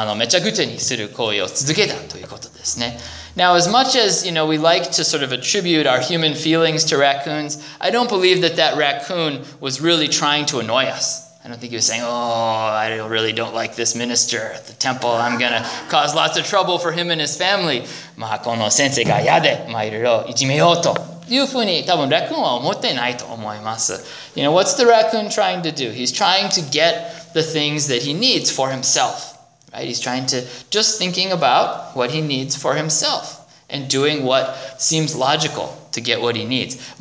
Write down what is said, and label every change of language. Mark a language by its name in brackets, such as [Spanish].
[Japanese] そのライグマは夜中に動くんですから、その一回その窓を開けてみたら、その妻はもう目と目が合って、でもそのままにまた芝生をめちゃくちゃにする行為を続けたということですね。 [English] Now, as much as, we like to sort of attribute our human feelings to raccoons, I don't believe that that raccoon was really trying to annoy us. I don't think he was saying, I really don't like this minister at the temple. I'm going to cause lots of trouble for him and his family. [Japanese] まあ、この先生が嫌で、いろいろいじめようというふうに多分、ラクーンは思ってないと思います。 [English] What's the raccoon trying to do? He's trying to get the things that he needs for himself. Right? He's trying to just thinking about what he needs for himself and doing what seems logical to get what he needs.